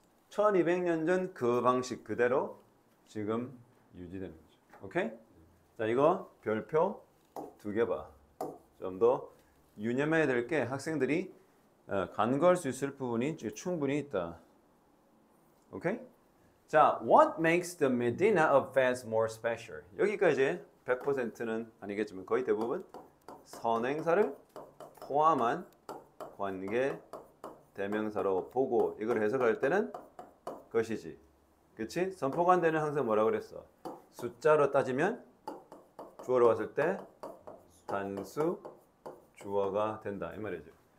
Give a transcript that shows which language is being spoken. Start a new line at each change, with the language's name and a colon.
Korean: 1200년 전그 방식 그대로 지금 유지되는 거죠. 오케이? 자, 이거 별표 두개 봐. 좀더 유념해야 될게 학생들이 간과할 수 있을 부분이 충분히 있다. 오케이? 자,
English: What makes the Medina of Fez more special?
Korean: 여기까지 100%는 아니겠지만 거의 대부분 선행사를 포함한 관계 대명사로 보고 이걸 해석할 때는 것이지. 그치? 선포관대는 항상 뭐라고 그랬어? 숫자로 따지면 주어로 왔을 때 단수 주어가 된다 이 말이죠.